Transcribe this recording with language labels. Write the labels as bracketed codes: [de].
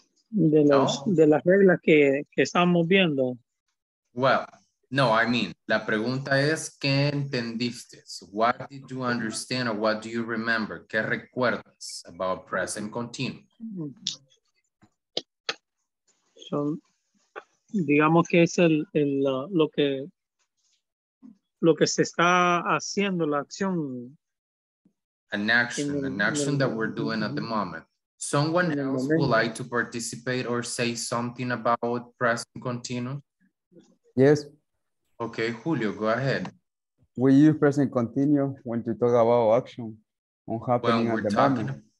[es] De los, no? De las reglas que estamos viendo. [en] Well, no, I mean, [es] la pregunta es, ¿qué entendiste? [en] What did you understand or what do you remember? [es] ¿Qué recuerdas [en] about present continuous? [es] Son, digamos que es lo que se está haciendo, la acción. [en] An action that we're doing at the moment. Someone else would like to participate or say something about present continuous? Yes. Okay, Julio, go ahead. We use present continuous when you talk about action on happening when we're at the talking, moment.